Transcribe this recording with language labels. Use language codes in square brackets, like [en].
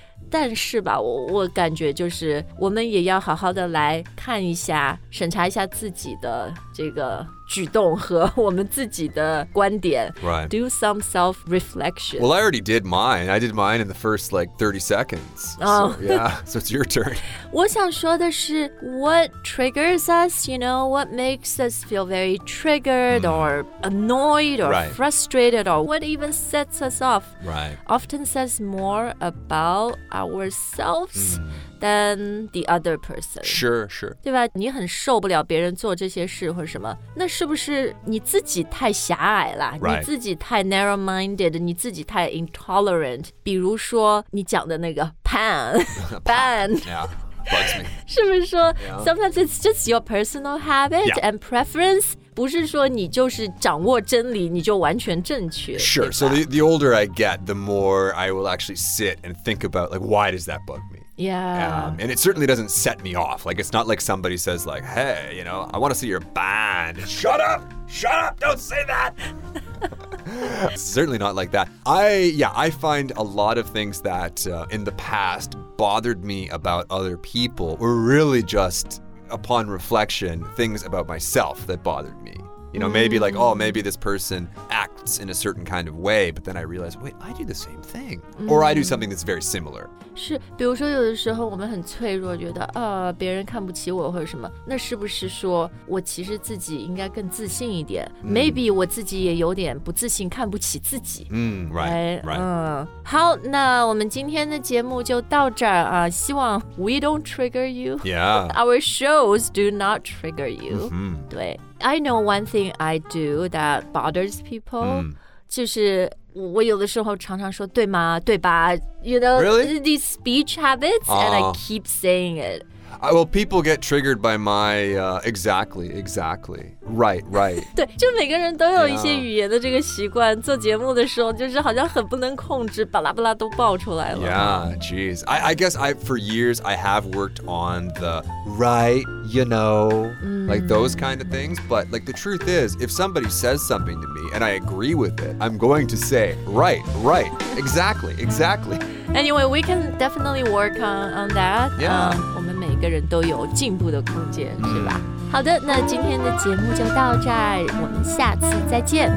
[zh] 但是吧 我感觉就是我们也要好好的来看一下审查一下自己的这个举动和我们自己的观点 [en] Right. Do some self-reflection Well, I already did mine I did mine in the first like 30 seconds So it's your turn [zh] 我想说的是 [en] What triggers us, you know What makes us feel very triggered or annoyed or frustrated or what even sets us off Right. Often says more aboutourselves than the other person. Sure, sure. [zh] 对吧？你很受不了别人做这些事或者什么，那是不是你自己太狭隘了？你自己太 [en] narrow-minded， [zh] 你自己太 [en] intolerant。 [zh] 比如说你讲的那个 pan. [en] Yeah, bugs me. [zh] 是不是说 [en] sometimes it's just your personal habit and preference? [zh] 不是说你就是掌握真理，你就完全正确。 [en] Sure. So the older I get, the more I will actually sit and think about like why does that bug me? Yeah. And it certainly doesn't set me off. Like it's not like somebody says like, hey, you know, I want to see your band. Shut up! Don't say that. Certainly not like that. I find a lot of things that in the past bothered me about other people were really just. Upon reflection, things about myself that bothered me. You know, maybe like, oh, maybe this person act, acts in a certain kind of way, but then I realize, wait, I do the same thing. Or I do something that's very similar. [zh] 是，比如说有的时候我们很脆弱，觉得啊，别人看不起我或者什么，那是不是说我其实自己应该更自信一点？ [en] Maybe [zh] 我自己也有点不自信，看不起自己。 [en] Right. [zh] 好，那我们今天的节目就到这儿啊。希望 [en] we don't trigger you. Yeah. Our shows do not trigger you. [zh] 对。 [en] I know one thing I do that bothers people. [zh] 就是我有的时候常常说对吗对吧 [en] You know、 really? These speech habits、and I keep saying it Well people get triggered by my、exactly Right [zh] 对就每个人都有一些语言的这个习惯、 [en] yeah. [zh] 做节目的时候就是好像很不能控制巴拉巴拉都爆出来了 [en] Yeah geez I guess I for years I have worked on the right you know、like those kind of things But like the truth is if somebody says something to me and I agree with it I'm going to say right exactly Anyway we can definitely work on that Yeah、 [zh] 我们每个人都有进步的空间是吧好的，那今天的节目就到这儿，我们下次再见。